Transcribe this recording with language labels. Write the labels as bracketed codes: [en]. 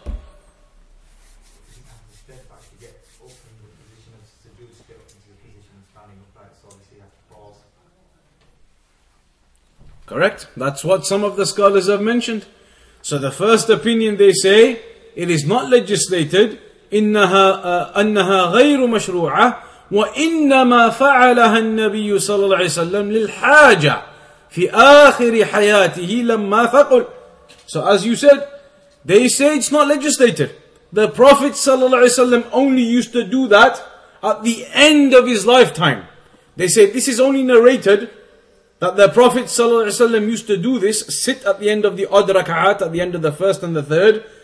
[en] He didn't have the steadfast to get up from the position of seduced, get up into the position of standing upright, so obviously he had to pause. Correct. That's what some of the scholars have mentioned. So the first opinion, they say, it is not legislated. [ar] إنها غير مشروعة وإنما فعلها النبي صلى الله عليه وسلم للحاجة في آخر حياته لما فقل. [en] So as you said, they say it's not legislated. The Prophet صلى الله عليه وسلم only used to do that at the end of his lifetime. They say this is only narrated that the Prophet صلى الله عليه وسلم used to do this, sit at the end of the odd rak'at, at the end of the first and the third.